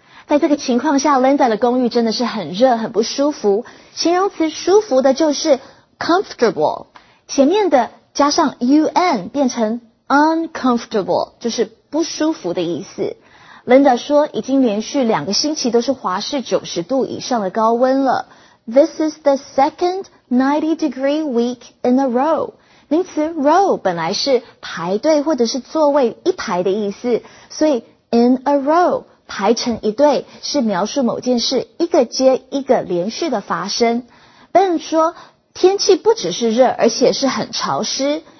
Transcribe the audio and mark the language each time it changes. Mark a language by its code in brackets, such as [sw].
[zh] 在这个情况下 ,Linda 的公寓真的是很热很不舒服。形容词舒服的就是 comfortable。前面的加上 un 变成 uncomfortable, 就是不舒服的意思。 Linda 说已经连续两个星期都是华氏90度以上的高温了。 [en] This is the second 90 degree week in a row. [zh] 名词 row 本来是排队或者是座位一排的意思。所以 in a row, 排成一队是描述某件事一个接一个连续的发生。 Ben 说天气不只是热，而且是很潮湿。